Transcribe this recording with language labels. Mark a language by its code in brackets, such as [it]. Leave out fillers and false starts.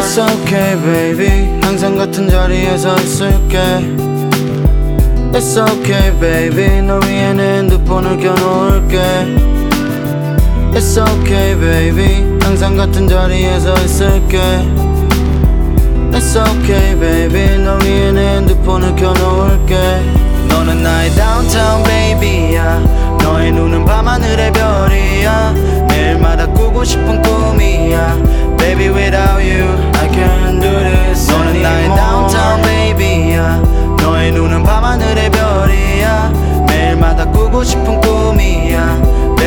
[en] It's okay baby [ko] 항상 같은 자리에서 있을게. [en] It's okay baby [ko] 너 위에는 핸드폰을 켜놓을게. [en] It's okay baby [ko] 항상 같은 자리에서 있을게. [en] It's okay baby [ko] 너 위에는 핸드폰을 켜놓을게. 너는 나의 downtown baby야. 너의 눈은 밤하늘의 별이야. 매일마다 꾸고 싶은 꿈이야. [en] Baby without you I can't do this. [ko] 너는 나의 downtown baby야. 너의 눈은 밤하늘의 별이야. 매일마다 꾸고 싶은 꿈이야.